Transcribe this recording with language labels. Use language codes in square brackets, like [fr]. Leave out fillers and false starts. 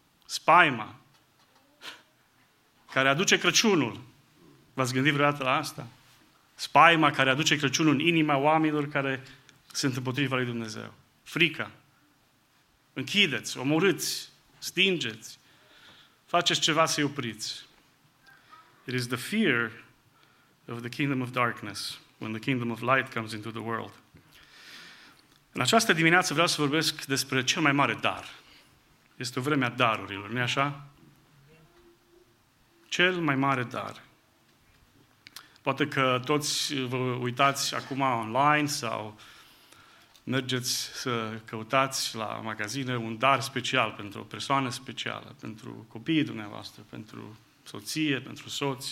[ro] Spaima care aduce Crăciunul. V-ați gândit vreodată la asta? Spaima care aduce Crăciunul în inima oamenilor care sunt împotriva lui Dumnezeu. Frica. Închideți, omorâți, stingeți, faceți ceva să-i opriți. [en] It is the fear of the kingdom of darkness when the kingdom of light comes into the world. [ro] În această dimineață vreau să vorbesc despre cel mai mare dar. Este o vreme a darurilor, nu-i așa? Cel mai mare dar. Poate că toți vă uitați acum online sau mergeți să căutați la magazine un dar special pentru o persoană specială, pentru copiii dumneavoastră, pentru soție, pentru soț.